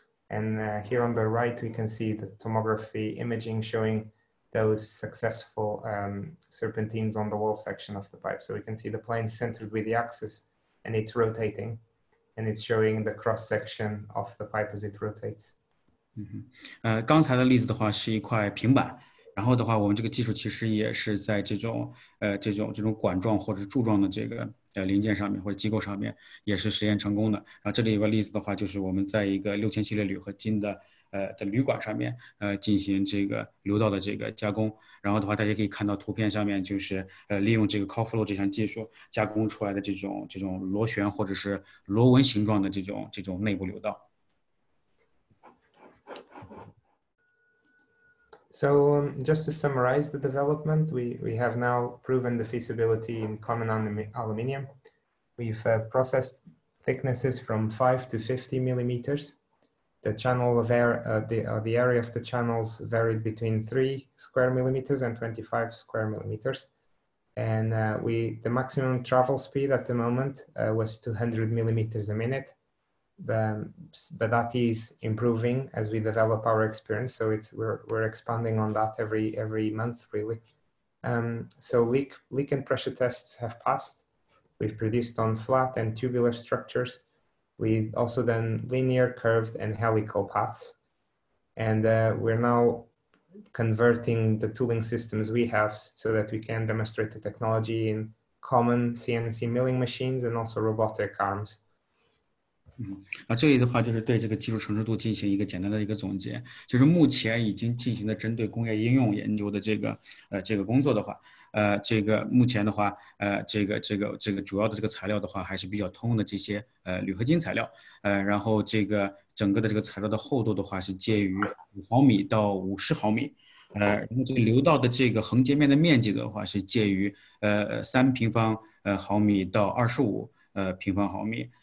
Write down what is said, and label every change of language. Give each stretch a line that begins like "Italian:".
English: And here on the right, we can see the tomography imaging showing those successful serpentines on the wall section of the pipe. So we can see the plane centered with the axis and it's rotating. And it's showing the cross section of the pipe as it rotates.
Chinese: 刚才的例子的话是一块平板，然后的话，我们这个技术其实也是在这种管状或者柱状的这个零件上面或者机构上面也是实验成功的。然后这里有个例子的话，就是我们在一个6000系列铝合金的铝管上面进行这个流道的这个加工，然后的话大家可以看到图片上面就是利用这个 CoreFlow 这项技术加工出来的这种螺旋或者是螺纹形状的这种内部流道。
English: So just to summarize the development, we have now proven the feasibility in common aluminium. We've processed thicknesses from 5 to 50 millimeters. The channel of air, the area of the channels varied between 3 square millimeters and 25 square millimeters. And the maximum travel speed at the moment was 200 millimeters a minute. But that is improving as we develop our experience. So we're expanding on that every month, really. So leak and pressure tests have passed. We've produced on flat and tubular structures. We also then linear, curved, and helical paths. And we're now converting the tooling systems we have so that we can demonstrate the technology in common CNC milling machines and also robotic arms.
Chinese: 这里的话就是对这个技术成熟度进行一个简单的一个总结，就是目前已经进行的针对工业应用研究的这个工作的话，这个目前的话，这个主要的这个材料的话还是比较通用的这些铝合金材料，然后这个整个的这个材料的厚度的话是介于5毫米到50毫米，然后这个流道的这个横截面的面积的话是介于3平方毫米到25平方毫米。